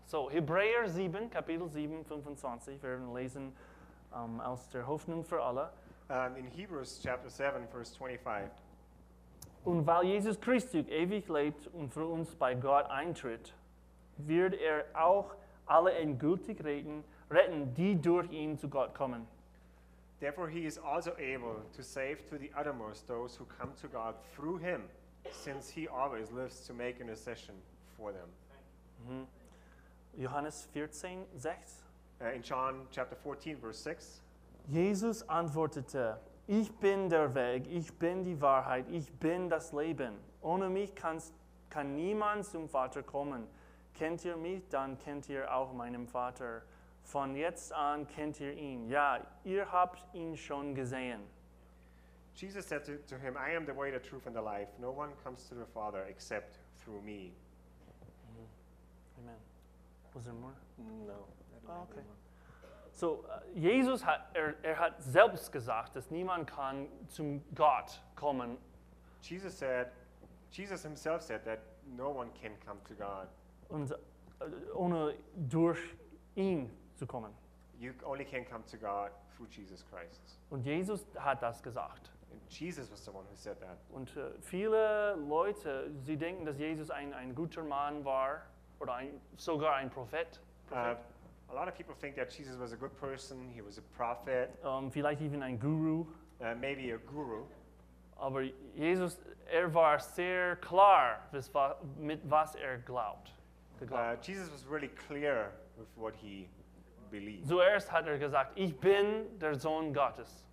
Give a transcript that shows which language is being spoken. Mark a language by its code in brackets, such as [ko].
[de] So Hebräer 7, Kapitel 7, 25, wir werden lesen aus der Hoffnung für alle. [en] In Hebrews chapter 7, verse 25. [de] Und weil Jesus Christus ewig lebt und für uns bei Gott eintritt, wird auch alle endgültig retten, die durch ihn zu Gott kommen. [en] Therefore he is also able to save to the uttermost those who come to God through him, since he always lives to make intercession for them. Mm-hmm. [de] Johannes 14, 6. [en] In John chapter 14, verse 6. [de] Jesus antwortete, ich bin der Weg, ich bin die Wahrheit, ich bin das Leben. Ohne mich kann niemand zum Vater kommen. Kennt ihr mich, dann kennt ihr auch meinen Vater. Von jetzt an kennt ihr ihn. Ja, ihr habt ihn schon gesehen. [en] Jesus said to him, I am the way, the truth, and the life. No one comes to the Father except through me. Mm-hmm. Amen. Was there more? No. Okay. More. [de] So, Jesus hat selbst gesagt, dass niemand kann zum Gott kommen. [en] Jesus himself said that no one can come to God. [de] Und ohne durch ihn zu kommen. [en] You only can come to God through Jesus Christ. [de] Und Jesus hat das gesagt. [en] Jesus was the one who said that. [de] Und viele Leute, sie denken, dass Jesus ein guter Mann war oder sogar ein Prophet. [en] A lot of people think that Jesus was a good person, he was a prophet. [de] Vielleicht [en] even [de] ein Guru. [en] Maybe a guru. [de] Aber Jesus, war sehr klar, mit was glaubt. [en] Jesus was really clear with what he believed. [de] Zuerst hat gesagt, ich bin der Sohn Gottes.